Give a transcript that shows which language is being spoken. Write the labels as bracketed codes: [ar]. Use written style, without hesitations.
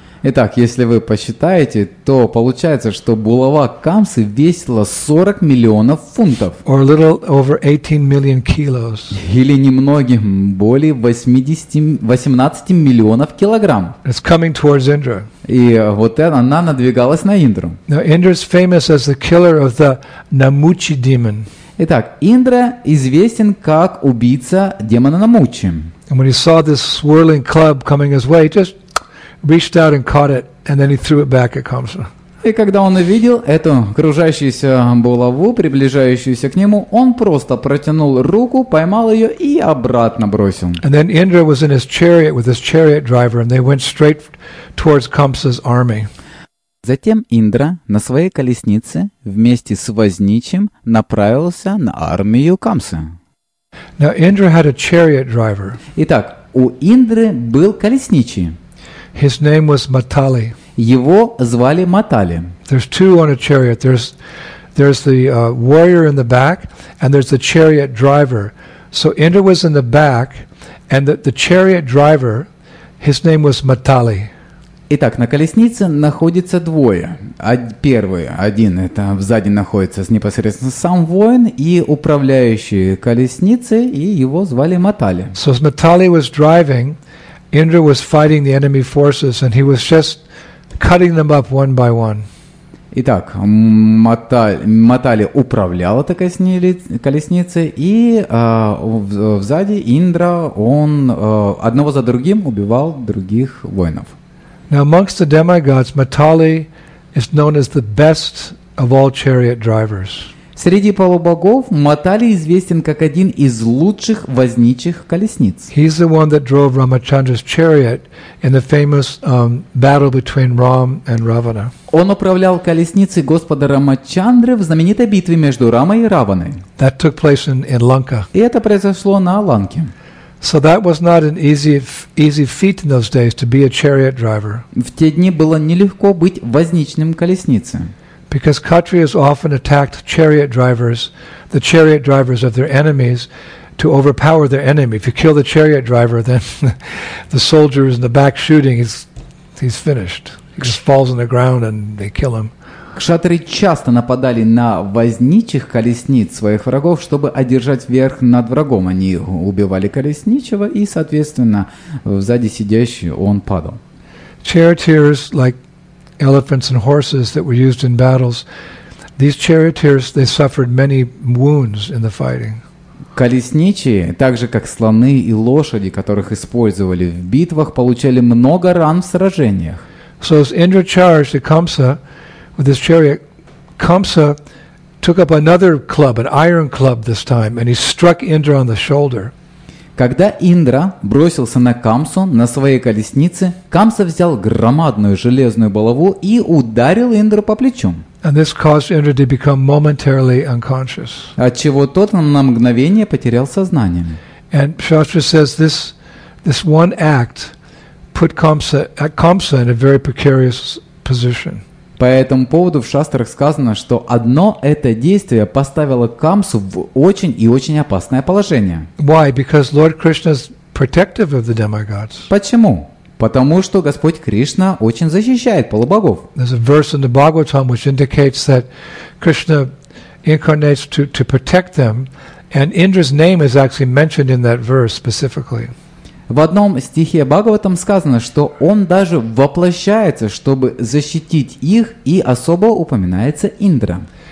[ru] Итак, если вы посчитаете, то получается, что булава Камсы весила 40 миллионов фунтов. [en] Or a little over 18 million kilos. [ru] Или немногим более 18 миллионов килограмм. [en] It's coming towards Indra. [ru] И вот она надвигалась на Индру. [en] Now Indra is famous as the killer of the Namuchi demon. [ru] Итак, Индра известен как убийца демона Намучи. [en] And when he saw this swirling club coming his way, he just reached out and caught it, and then he threw it back at Kamsa. [ru] И когда он увидел эту кружащуюся булаву, приближающуюся к нему, он просто протянул руку, поймал ее и обратно бросил. [en] And then Indra was in his chariot with his chariot driver, and they went straight towards Kamsa's army. [ru] Затем Индра на своей колеснице вместе с возничим направился на армию Камсы. [en] Now Indra had a chariot driver. [ru] Итак, у Индры был колесничий. [en] His name was Matali. [ru] Его звали Матали. [en] There's two on a chariot. There's the warrior in the back, and there's the chariot driver. So Indra was in the back, and the chariot driver, his name was Matali. [ru] Итак, на колеснице находится двое. Первый, один, это сзади находится непосредственно сам воин и управляющий колесницей, и его звали Матали. [en] So as Matali was driving, Indra was fighting the enemy forces, and he was just cutting them up one by one. [ru] Итак, Матали управлял этой колесницей, и сзади Индра, он одного за другим убивал других воинов. [en] Now amongst the demigods, Matali is known as the best of all chariot drivers. [ru] Среди полубогов Матали известен как один из лучших возничих колесниц. [en] He's the one that drove Ramachandra's chariot in the famous battle between Ram and Ravana. [ru] Он управлял колесницей господа Рамачандры в знаменитой битве между Рамой и Раваной. [en] That took place in Lanka. [ru] И это произошло на Ланке. [en] So that was not an easy feat in those days to be a chariot driver. [ru] В те дни было нелегко быть возничным колесницы. [en] Because Kshatriyas often attacked the chariot drivers of their enemies to overpower their enemy. If you kill the chariot driver, then the soldier is in the back shooting, he's finished. He just falls on the ground and they kill him. [ru] Кшатри часто нападали на возничих колесниц своих врагов, чтобы одержать верх над врагом. Они убивали колесничего, и, соответственно, сзади сидящий он падал. [en] Charioteers, like elephants and horses that were used in battles, these charioteers, they suffered many wounds in the fighting. [ru] Колесничие, так же как слоны и лошади, которых использовали в битвах, получали много ран в сражениях. [en] So as Indra charged at Kamsa with his chariot, Kamsa took up another club, an iron club this time, and he struck Indra on the shoulder. [ru] Когда Индра бросился на Камсу на своей колеснице, Камса взял громадную железную булаву и ударил Индру по плечу. [en] And this caused Indra to become momentarily unconscious. [ru] Отчего тот на мгновение потерял сознание. [en] And Shastra says this one act put Kamsa in a very precarious position. [ru] По этому поводу в Шастрах сказано, что одно это действие поставило Камсу в очень и очень опасное положение. [en] Why? Because Lord Krishna's protective of the demigods. [ru] Почему? Потому что Господь Кришна очень защищает полубогов. [en] There's a verse in the Bhagavatam which indicates that Krishna incarnates to protect them, and Indra's name is actually mentioned in that verse specifically. [ru] В одном стихе Бхагаватам сказано, что он даже воплощается, чтобы защитить их, и особо упоминается Индра.